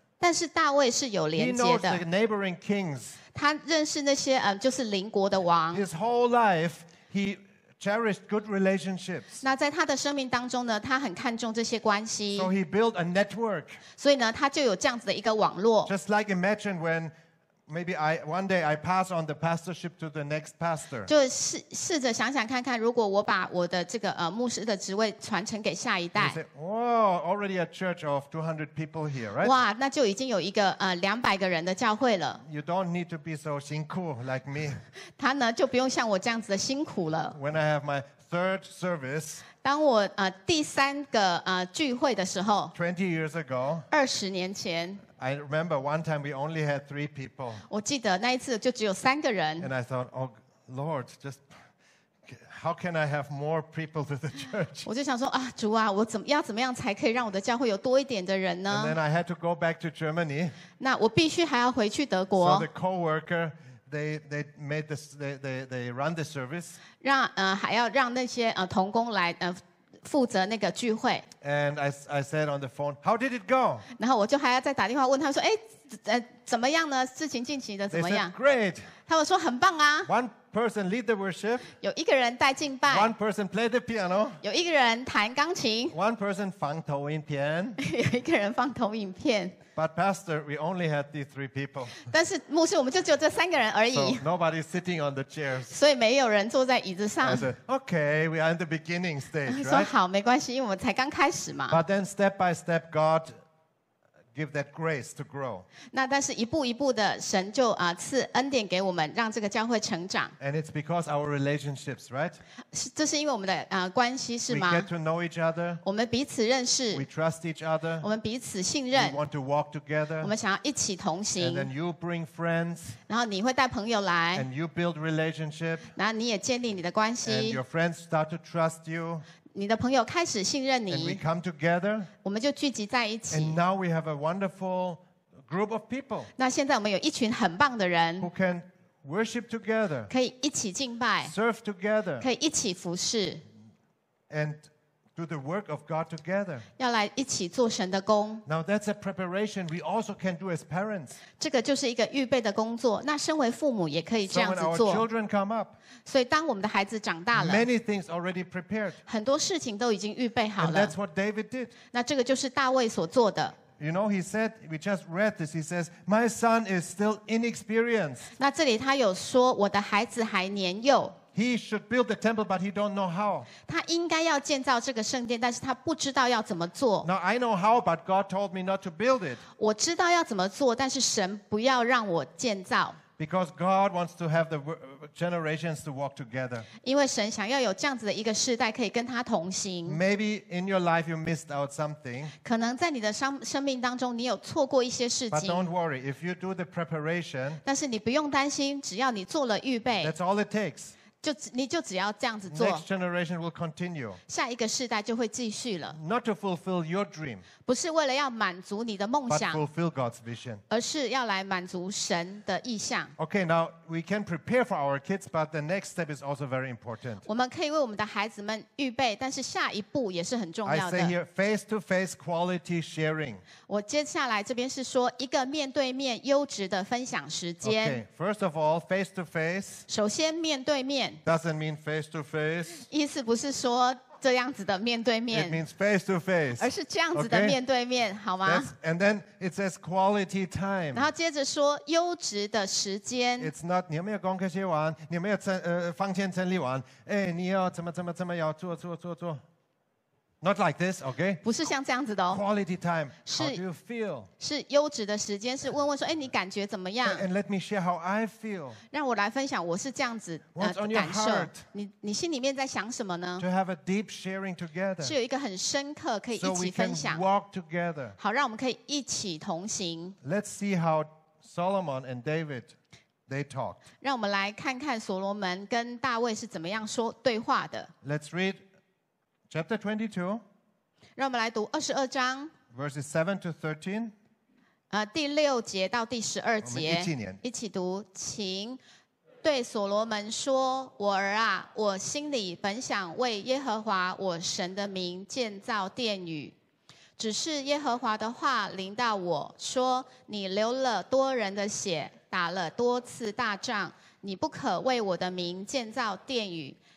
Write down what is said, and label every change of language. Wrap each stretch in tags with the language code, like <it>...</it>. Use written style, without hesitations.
<zh>但是大卫是有连接的。</zh> <en>He knows the neighboring kings.</en> <zh>他认识那些就是邻国的王。</zh> <en>His whole life, he cherished good relationships.</en> <zh>那在他的生命当中呢，他很看重这些关系。</zh> <en>So he built a network.</en> <zh>所以呢，他就有这样子的一个网络。</zh> <en>Just like imagine when maybe I one day I pass on the pastorship to the next pastor.</en> <zh>就试着想想看看，如果我把我的这个牧师的职位传承给下一代。</zh> <en>You say, whoa, already a church of 200 people here, right?</en> <zh>哇，那就已经有一个200个人的教会了。</zh> <en>You don't need to be so 辛苦 like me.</en> <zh>他呢就不用像我这样子的辛苦了。</zh> <en>When I have my third service.</en> <zh>当我第三个聚会的时候。</zh> <en>20 years ago.</en> <zh>20年前。</zh> <en>I remember one time we only had 3 people.</en> <zh>我记得那一次就只有三个人。</zh> <en>And I thought, oh Lord, just how can I have more people to the church?</en> <zh>我就想说啊，主啊，我怎么样才可以让我的教会有多一点的人呢？</zh> <en>And then I had to go back to Germany.</en> <zh>那我必须还要回去德国。</zh> <en>So the coworker, they made this, they run the service.</en> <zh>让还要让那些同工来负责那个聚会。</zh> <en>And I said on the phone, how did it go?</en> <zh>然后我就还要再打电话问他说，哎，怎么样呢？事情进行的怎么样</zh> <en>？They said great.</en> <zh>他们说很棒啊。</zh> <en>One person lead the worship.</en> <zh>有一个人带敬拜。</zh> <en>One person play the piano.</en> <zh>有一个人弹钢琴。</zh> <en>One person</en> <zh>放投影片。有一个人放投影片。</zh> <en>But pastor, we only had these 3 people.</en> <zh>但是牧师，我们就只有这三个人而已。</zh> <en>So nobody sitting on the chairs.</en> <zh>所以没有人坐在椅子上。</zh> <en>I said, okay, we are in the beginning stage, right?</en> <zh>说好，没关系，因为我们才刚开始嘛。</zh> <en>But then step by step, God give that grace to grow.</en> <zh>那但是一步一步的，神就赐恩典给我们，让这个教会成长。</zh> <en>And it's because our relationships, right?</en> <zh>这是因为我们的关系是吗</zh> <en>？We get to know each other.</en> <zh>我们彼此认识。</zh> <en>We trust each other.</en> <zh>我们彼此信任。</zh> <en>We want to walk together.</en> <zh>我们想要一起同行。</zh> <en>And then you bring friends.</en> <zh>然后你会带朋友来。</zh> <en>And you build relationship.</en> <zh>然后你也建立你的关系。</zh> <en>And your friends start to trust you.</en> <zh>你的朋友开始信任你</zh> <en>and we come together,</en> <zh>我们就聚集在一起</zh> <en>and now we have a wonderful group of people,</en> <zh>那现在我们有一群很棒的人</zh> <en>who can worship together,</en> <zh>可以一起敬拜</zh> <en>serve together,</en> <zh>可以一起服侍</zh> <en>and do the work of God together,</en> <zh>要来一起做神的工</zh> <en>now that's a preparation we also can do as parents,</en> <zh>这个就是一个预备的工作那身为父母也可以这样子做</zh> <en>so when our children come up,</en> <zh>所以当我们的孩子长大了</zh> <en>Many things already prepared.</en> <zh>很多事情都已经预备好了</zh> <en>And that's what David did.</en> <zh>那这个就是大卫所做的</zh> <en>You know, he said, we just read this, he says, my son is still inexperienced.</en> <zh>那这里他有说我的孩子还年幼</zh> <en>He should build the temple, but he don't know how.</en> <zh>他应该要建造这个圣殿但是他不知道要怎么做</zh> <en>Now I know how, but God told me not to build it.</en> <zh>我知道要怎么做但是神不要让我建造</zh> <en>Because God wants to have the generations to walk together.</en> <zh>因为神想要有这样子的一个世代可以跟他同行。</zh> <en>Maybe in your life you missed out something.</en> <zh>可能在你的生命当中你有错过一些事情。</zh> <en>But don't worry, if you do the preparation.</en> <zh>但是你不用担心，只要你做了预备。</zh> <en>That's all it takes.</en> <zh>你就只要这样子做。</zh> <en>Next generation will continue.</en> <zh>下一个世代就会继续了。</zh> <en>Not to fulfill your dream.</en> <zh>不是为了要满足你的梦想。</zh> <en>But fulfill God's vision.</en> <zh>而是要来满足神的意向。</zh> <en>Okay, now we can prepare for our kids, but the next step is also very important.</en> <zh>我们可以为我们的孩子们预备，但是下一步也是很重要的。</zh> <en>I say here, face-to-face quality sharing.</en> <zh>我接下来这边是说一个面对面优质的分享时间。</zh> <en>Okay, first of all, face-to-face.</en> <zh>首先面对面。</zh> <en>Doesn't mean face to face.</en> <zh>意思不是说这样子的面对面。</zh> <en>It means face to face.</en> <zh>而是这样子的面对面，好吗？</zh> <en>And then it says quality time.</en> <zh>然后接着说优质的时间。</zh> <en>It's not</en> <zh>你有没有功课写完？你有没有放钱整理完？哎，你要怎么要做？</zh> <en>Not like this, okay?</en> <zh>不是像这样子的哦。</zh> <en>Quality time. How do you feel?</en> <zh>是优质的时间，是问问说，哎，你感觉怎么样？</zh> <en>And let me share how I feel.</en> <zh>让我来分享，我是这样子的感受。你心里面在想什么呢？</zh> <en>To have a deep sharing together.</en> <zh>是有一个很深刻可以一起分享。</zh> <en>So we can walk together.</en> <zh>好，让我们可以一起同行。</zh> <en>Let's see how Solomon and David they talked.</en> <zh>让我们来看看所罗门跟大卫是怎么样说对话的。</zh> <en>Let's read. Chapter 22.</en> <zh>让我们来读二十二章。</zh> <en>Verses 7 to 13.</en> <zh>第六节到第十二节。我们一起念。一起读，请对所罗门说：“我儿啊，我心里本想为耶和华我神的名建造殿宇，只是耶和华的话临到我说：你流了多人的血，打了多次大仗，你不可为我的名建造殿宇。”</zh>